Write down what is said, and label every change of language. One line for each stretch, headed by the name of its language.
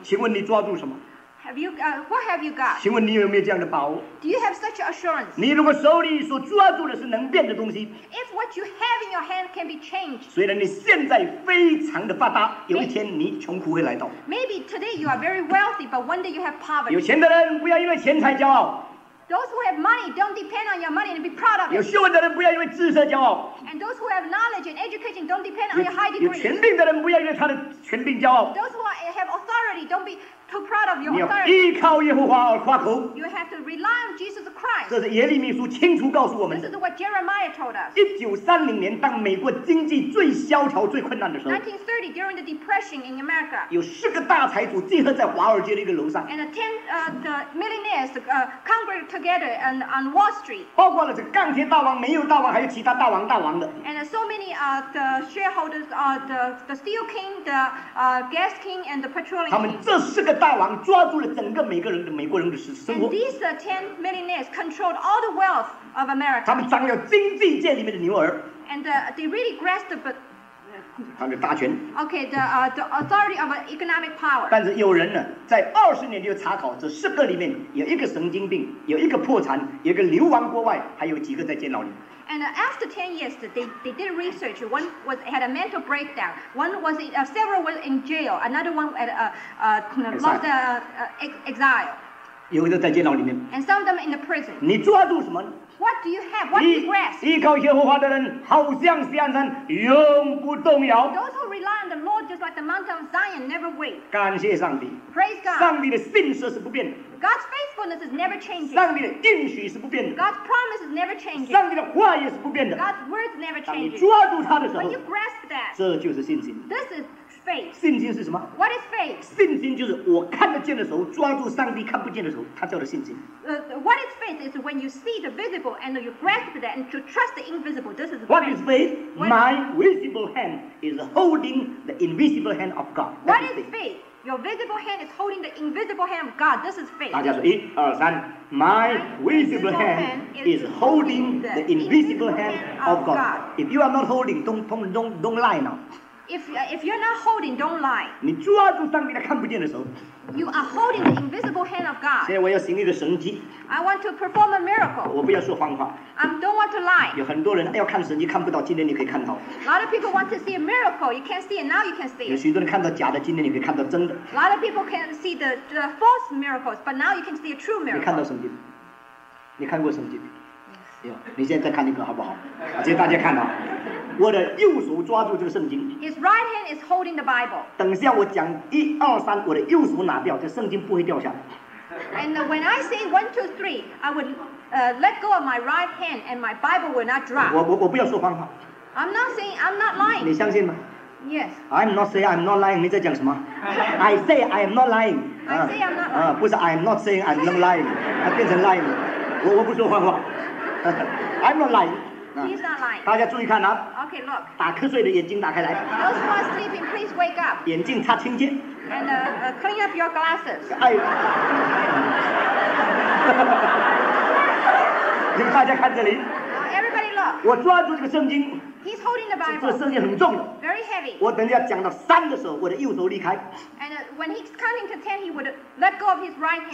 Chinese: 请问你抓住什么？
English: What have you got?
Chinese: 请问你有没有这样的把握？
English: Do you have such assurance?
Chinese: 你如果手里所抓住的是能变的东西，
English: If what you have in your hand can be changed,
Chinese: 虽然你现在非常的发达，有一天你穷苦会来到。
English: Maybe today you are very wealthy, but one day you have poverty.
Chinese: 有钱的人不要因为钱财骄傲。
English: Those who have money don't depend on your money and be proud of it.
Chinese: 有学问的人不要因为知识骄傲。
English: And those who have knowledge and education don't depend on your high degree.
Chinese: 有权柄的人不要因为他的权柄骄傲。
English: Those who have authority don't be too proud of your authority.
Chinese: 你要依靠耶和华而夸口。
English: You have to rely on Jesus Christ.
Chinese: 这是耶利米书清楚告诉我们。
English: This is what Jeremiah told us.
Chinese: 1930年，当美国经济最萧条、最困难的时候。
English: 1930 during the depression in America.
Chinese: 有十个大财主集合在华尔街的一个楼上。
English: And the millionaires congregated together and on Wall Street.
Chinese: 包括了这钢铁大王、煤油大王，还有其他大王、大王的。
English: And so many the shareholders, the steel king, the gas king, and the petroleum king.
Chinese: 他们这十个大王抓住了整个每个人的美国人的生活。
English: And these ten millionaires controlled all the wealth of America.
Chinese: 他们掌握经济界里面的牛耳。
English: And they really grasped the
Chinese: 他们的大权。
English: Okay, the authority of economic power.
Chinese: 但是有人呢，在二十年就查考这十个里面有一个神经病，有一个破产，有一个流亡国外，还有几个在监牢里。
English: And after 10 years, they did research. One was had a mental breakdown. One was several were in jail. Another one had lost exile.
Chinese: 有的在监牢里面。
English: And some of them in the prison.
Chinese: 你抓住什么？
English: What do you have? What do you grasp?
Chinese: 依靠耶和华的人，好像锡安山，永不动摇。
English: Those who rely on the Lord, just like the Mount of Zion, never waver.
Chinese: 感谢上帝。
English: Praise God.
Chinese: 上帝的信实是不变的。
English: God's faithfulness is never changing.
Chinese: 上帝的应许是不变的。
English: God's promise is never changing.
Chinese: 上帝的话也是不变的。
English: God's word never changes.
Chinese: 当你抓住他的时候
English: ，When you grasp that,
Chinese: 这就是信心。
English: This is faith.
Chinese: 信心是什么
English: ？What is faith?
Chinese: 信心就是我看得见的时候，抓住上帝看不见的时候，他叫的信心。
English: What is faith is when you see the visible and you grasp that and to trust the invisible. This is what is faith. My visible hand is holding the invisible hand of God. What is faith? Your visible hand is holding the invisible hand of God. This is faith.
Chinese: 大家说一二三
English: ，My visible hand is holding the invisible hand of God. If you are not holding, don't lie now. If you're not holding, don't lie.
Chinese: 你抓住上帝的看不见的时候。
English: You are holding the invisible hand of God.
Chinese: 现在我要行一个神迹。
English: I want to perform a miracle.
Chinese: 我不要说谎话。
English: I don't want to lie.
Chinese: 有很多人要看神迹看不到，今天你可以看到。
English: A lot of people want to see a miracle. You can't see it now. You can see it.
Chinese: 有许多人看到假的，今天你可以看到真的。
English: A lot of people can see the false miracles, but now you can see a true miracle.
Chinese: 你看到神迹？你看过神迹？有，你现在再看一个好不好？啊，这大家看到，我的右手抓住这个圣经。
English: His right hand is holding the Bible.
Chinese: 等下我讲一二三，我的右手拿掉，这圣经不会掉下来。
English: And when I say one two three, I would let go of my right hand, and my Bible will not drop.
Chinese: 我不要说谎话。
English: I'm not saying I'm not lying.
Chinese: 你相信吗？
English: Yes. I'm not saying I'm not lying.
Chinese: 你在讲什么？
English: I say I am not lying. I say I'm not lying.
Chinese: 不是
English: I'm not saying I'm not lying.
Chinese: 它变成
English: lying
Chinese: 了。我不说谎话。
English: I'm not lying. He's not lying.
Chinese: 大家注意看啊。
English: Okay, look.
Chinese: 打瞌睡的眼睛打开来。
English: Those who are sleeping, please wake up.
Chinese: 眼镜擦清洁。
English: And clean up your glasses. 哎。
Chinese: 你们大家看这里。
English: Everybody look.
Chinese: 我抓住这个圣经。
English: He's holding the Bible.
Chinese: 这圣经很重的。
English: Very heavy.
Chinese: 我等一下讲到三的时候，我的右手离开。
English: And when he's counting to ten, he would let go of his right hand.